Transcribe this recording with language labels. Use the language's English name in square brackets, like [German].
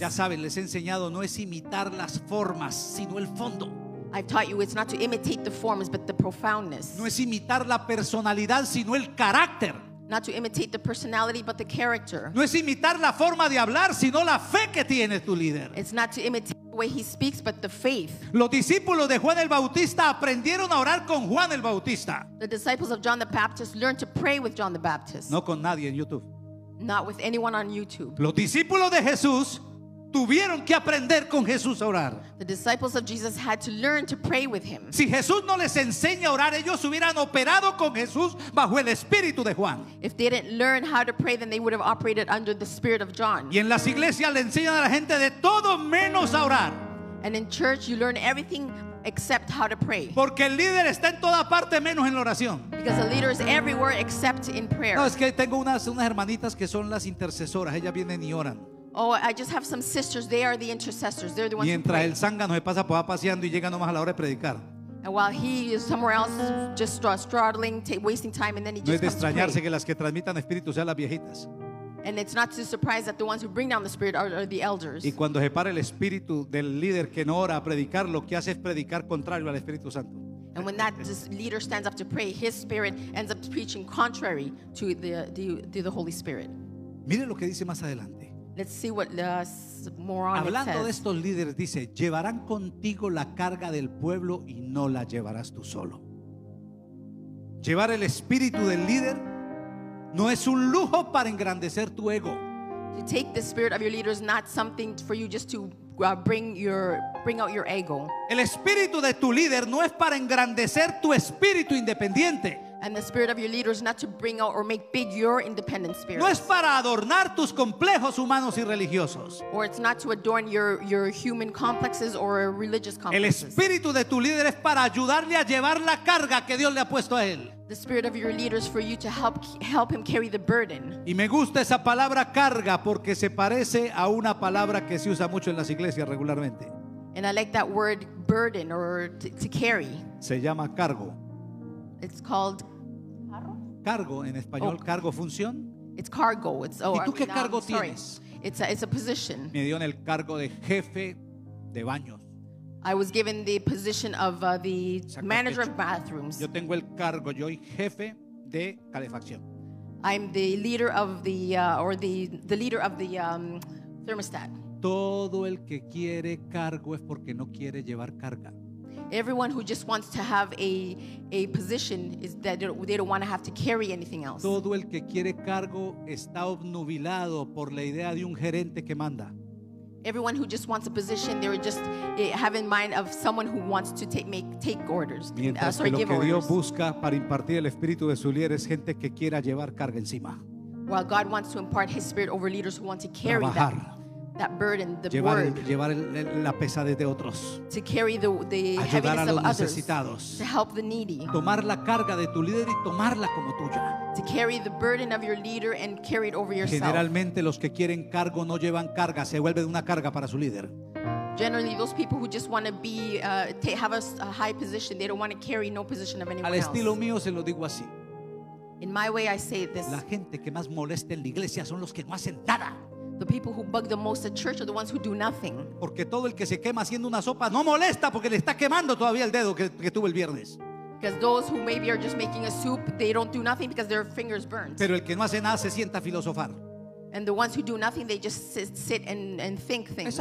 [Spanish] Ya saben, les he enseñado, no es imitar las formas, sino el fondo. [English] I've taught you it's not to imitate the forms but the profoundness. [Spanish] No es imitar la personalidad sino el carácter. [English] Not to imitate the personality but the character. [Spanish] No es imitar la forma de hablar sino la fe que tiene tu líder. [English] It's not to imitate the way he speaks but the faith. [Spanish] Los discípulos de Juan el Bautista aprendieron a orar con Juan el Bautista. [English] The disciples of John the Baptist learned to pray with John the Baptist. [Spanish] No con nadie en YouTube. [English] Not with anyone on YouTube. [Spanish] Los discípulos de Jesús Tuvieron que aprender con Jesús a orar. [English] The disciples of Jesus had to learn to pray with him. [Spanish] Si Jesús no les enseña a orar, ellos hubieran operado con Jesús bajo el espíritu de Juan. [English] If they didn't learn how to pray, then they would have operated under the spirit of John. [Spanish] Y en las iglesias le enseñan a la gente de todo menos a orar. [English] And in church you learn everything except how to pray. [Spanish] Porque el líder está en toda parte menos en la oración. [English] Because the leader is everywhere except in prayer. [Spanish] No, es que tengo unas hermanitas que son las intercesoras, ellas vienen y oran. [English] Oh, I just have some sisters. They are the intercessors. They're the ones. [Spanish] Mientras [English] who [Spanish] el zángano se pasa por paseando y llega nomás a la hora de predicar. [English] And while he is somewhere else, just straddling, wasting time, and then he just comes. [Spanish] No es de extrañarse que las que transmitan espíritu sean las viejitas. [English] And it's not to surprise that the ones who bring down the spirit are the elders. [Spanish] Y cuando se para el espíritu del líder que no ora a predicar, lo que hace es predicar contrario al Espíritu Santo. [English] And when that leader stands up to pray, his spirit ends up preaching contrary to the Holy Spirit. [Spanish] Mire lo que dice más adelante. [English] Let's see what the moron says. [Spanish] Hablando de estos líderes, dice, llevarán contigo la carga del pueblo y no la llevarás tú solo. Llevar el espíritu del líder no es un lujo para engrandecer tu ego. [English] To take the spirit of your leader is not something for you just to bring out your ego. [Spanish] El espíritu de tu líder no es para engrandecer tu espíritu independiente. [English] And the spirit of your leader is not to bring out or make big your independent spirit. [Spanish] No es para adornar tus complejos humanos y religiosos. [English] Or it's not to adorn your human complexes or religious complexes. [Spanish] El espíritu de tu líder es para ayudarle a llevar la carga que Dios le ha puesto a él. [English] The spirit of your leader is for you to help him carry the burden. [Spanish] Y me gusta esa palabra carga porque se parece a una palabra que se usa mucho en las iglesias regularmente. [English] And I like that word burden or to carry. [Spanish] Se llama cargo. [English] It's called [Spanish] cargo en español. Oh. Cargo, función. [English] It's cargo. It's oh. [Spanish] ¿Y tú qué cargo tienes? [English] It's a position. [Spanish] Me dio en el cargo de jefe de baños. [English] I was given the position of the manager of bathrooms. [Spanish] Yo tengo el cargo. Yo soy jefe de calefacción. [English] I'm the leader of the leader of the thermostat. [Spanish] Todo el que quiere cargo es porque no quiere llevar carga. [English] Everyone who just wants to have a position is that they don't want to have to carry anything else. [Spanish] Todo el que quiere cargo está obnubilado por la idea de un gerente que manda. [English] Everyone who just wants a position, they just have in mind of someone who wants to take orders. [Spanish] Mientras que lo que Dios busca para impartir el espíritu de su líder es gente que quiera llevar carga encima. [English] While God wants to impart His spirit over leaders who want to carry [Spanish] trabajar. [English] That burden, the [Spanish] llevar, [English] work, [Spanish] llevar la pesadez de otros, [English] to carry the [Spanish] ayudar [English] heaviness [Spanish] a los [English] of others, to help the needy, [Spanish] tomar la carga de tu líder y tomarla como tuya, [English] to carry the burden of your leader and carry it over yourself. [Spanish] Generalmente los que quieren cargo no llevan carga, se vuelve una carga para su líder. [English] Generally those people who just want to be have a high position, they don't want to carry no position of anyone else. [Spanish] Al estilo mío se lo digo así. [English] In my way I say this. [Spanish] La gente que más molesta en la iglesia son los que no hacen nada. [English] The people who bug the most at church are the ones who do nothing. [Spanish] Porque todo el que se quema haciendo una sopa no molesta porque le está quemando todavía el dedo que tuvo el viernes. [English] Because those who maybe are just making a soup, they don't do nothing because their fingers burnt. [Spanish] Pero el que no hace nada se sienta a filosofar. [English] And the ones who do nothing, they just sit and think things.